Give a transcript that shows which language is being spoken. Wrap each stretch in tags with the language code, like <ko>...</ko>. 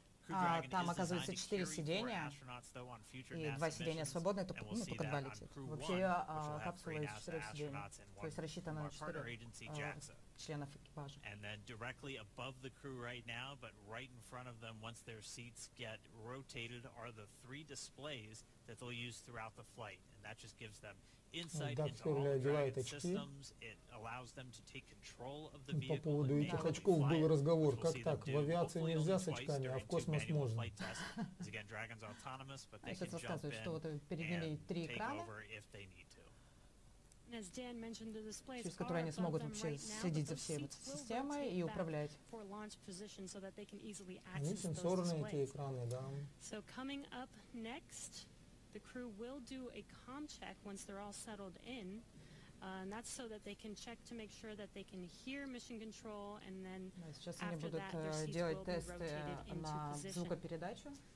<ru>А там, оказывается, 4 сидения, и 2 сидения свободны, то, ну, только 2 летит. Вообще, капсула из 4 сидений, то есть рассчитана на 4 членов экипажа.</ru> <en>And then directly above the crew right now, but right in front of them, once their seats get rotated, are the 3 displays that they'll use throughout the flight. And that just gives them insight into all the Dragon systems. It allows them to take control of the vehicle.</en> <ru>По поводу этих очков был разговор. Как так? В авиации нельзя с очками, а в космос можно.</ru> <en>Again, Dragon's autonomous, but they can jump in and take over if they need to.</en> <ru>Через которые они смогут вообще следить за всей системой и управлять. Они сенсорные, эти экраны, да.</ru> <en>So coming up next, the crew will do a comm check once they're all settled in. And that's so that they can check to make sure that they can hear mission control, and then</en> <ru>сейчас они будут делать тесты на звукопередачу.</ru>